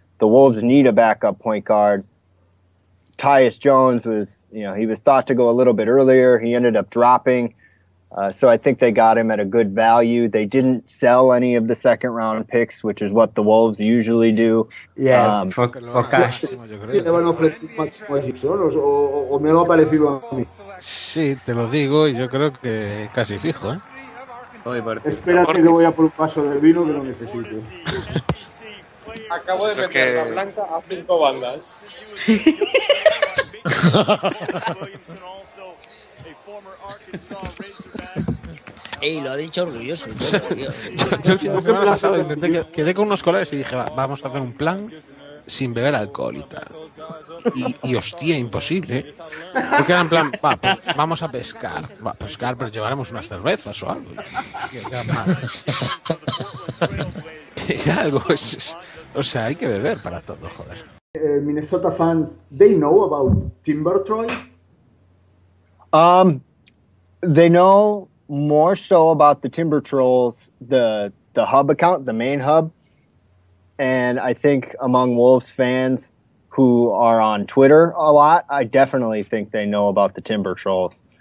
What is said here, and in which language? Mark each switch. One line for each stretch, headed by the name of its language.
English: The Wolves need a backup point guard. Tyus Jones was, you know, he was thought to go a little bit earlier. He ended up dropping. So I think they got him at a good value. They didn't sell any of the second round picks, which is what the Wolves usually do. Yeah, for cash.
Spanish: Sí, te van a ofrecer máximo a Gibson o me lo ha parecido a mí. Sí, te lo digo y yo creo que casi fijo, ¿eh? Espérate que voy a por un paso del vino que lo necesito. Acabo de meter la blanca a 5 bandas. Ey, lo ha dicho orgulloso. Yo el fin de semana pasado intenté quedé con unos colegas y dije, vamos a hacer un plan sin beber alcohol y tal. Y hostia, imposible. Porque era en plan, pues vamos a pescar. Va a pescar, pero llevaremos unas cervezas o algo. Era algo. O sea, hay que beber para todo, joder.
English: Minnesota fans, they know about Timber Trolls. They know more so about the Timber Trolls, the hub account, the main hub. And I think among Wolves fans who are on Twitter a lot, I definitely think they know about the Timber Trolls.